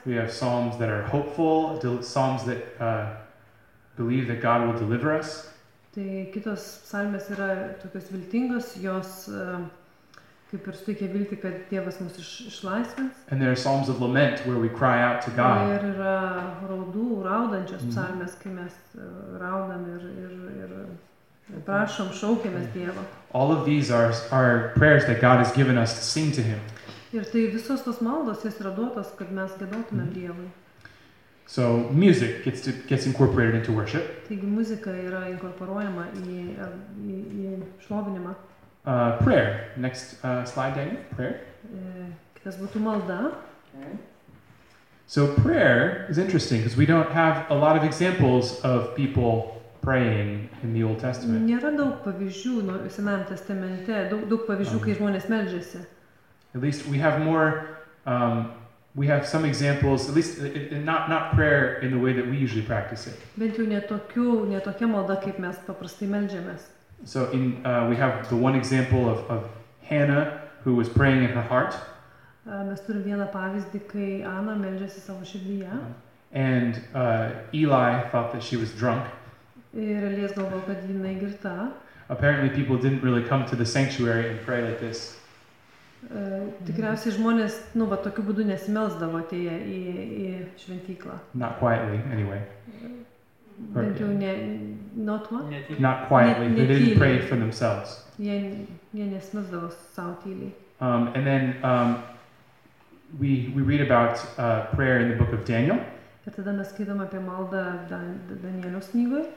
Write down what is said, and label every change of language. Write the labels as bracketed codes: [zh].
[en] We have psalms that are hopeful, psalms that believe that God will deliver us. [lt] Tai kitos psalmės yra tokios viltingos, jos kaip ir suteikia viltį, kad Dievas mus išlaisvins. [en] And there are psalms of lament, where we cry out to God. [lt] Ir yra raudančios psalmės, kai mes raudam ir prašom, šaukiamės Dievo. [en] All of these are prayers that God has given us to sing to him. [lt] Ir tai visos tos maldos, jos yra duotos, kad mes giedotumėm Dievui. [en] So music gets incorporated into worship. [lt] Taigi muzika yra inkorporuojama į šlovinimą. [en] Prayer. Next slide, Daniel. Prayer. [lt] Kitas būtų malda. [en] So prayer is interesting because we don't have a lot of examples of people praying in the Old Testament. [lt] Nėra daug pavyzdžių Senajame Testamente, daug pavyzdžių, kai žmonės meldžiasi. [en] At least we have more we have some examples, at least not prayer in the way that we usually practice it. [lt] Bent jau ne tokia malda, kaip mes paprastai meldžiamės. [en] So in we have the one example of Hannah who was praying in her heart. [lt] Mes turim vieną pavyzdį, kai Ana meldžiasi savo širdyje. [en] And Eli thought that she was drunk. [lt] Ir Elijas galvojo, kad jinai girta. [en] Apparently people didn't really come to the sanctuary and pray like this. [lt] Tikriausiai žmonės, va tokiu būdu nesimelsdavo atėję į šventyklą. [en] Not quietly, anyway. [lt] Bent jau ne, [en] not what? Not quietly, they didn't pray for themselves. [lt] Jie nesimelsdavo savo tyliai. [en] And then we read about prayer in the book of Daniel. [lt] Ir tada mes skaitom apie maldą Danieliaus knygoje.